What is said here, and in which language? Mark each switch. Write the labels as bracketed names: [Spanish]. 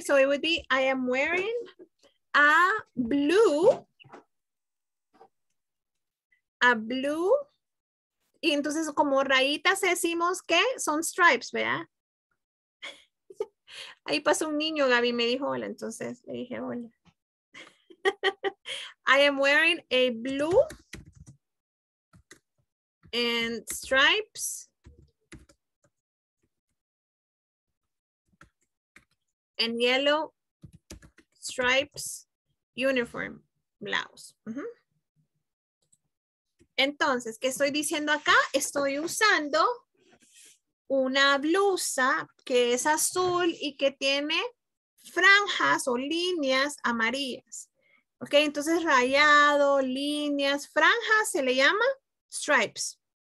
[English] So it would be, I am wearing a blue. A blue. [Spanish] Y entonces como rayitas decimos que son stripes, ¿verdad? Ahí pasó un niño, Gaby, me dijo hola, entonces le dije hola. [English] I am wearing a blue and stripes and yellow stripes uniform blouse. [Spanish] Entonces, ¿qué estoy diciendo acá? Estoy usando una blusa que es azul y que tiene franjas o líneas amarillas. Ok, entonces rayado, líneas, franjas, se le llama stripes.